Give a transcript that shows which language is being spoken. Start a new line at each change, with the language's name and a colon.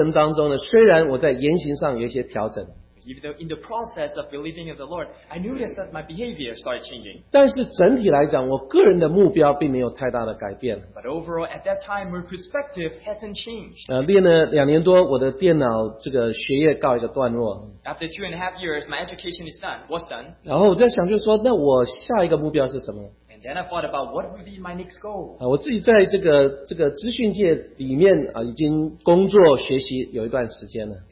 Chinese: 但是呢，在信主的过程当中呢，虽然我在言行上有一些调整。
English: Even though in the process of believing in the Lord, I noticed that my behavior started changing.
Chinese: 但是整体来讲，我个人的目标并没有太大的改变。
English: But overall, at that time, my perspective hasn't changed.
Chinese: 练了两年多，我的电脑这个学业告一个段落。
English: After 2.5 years, my education is done. What's done?
Chinese: 然后我在想，就是说，那我下一个目标是什么？
English: And then I thought about what would be my next goal.
Chinese: 我自己在这个资讯界里面已经工作学习有一段时间了。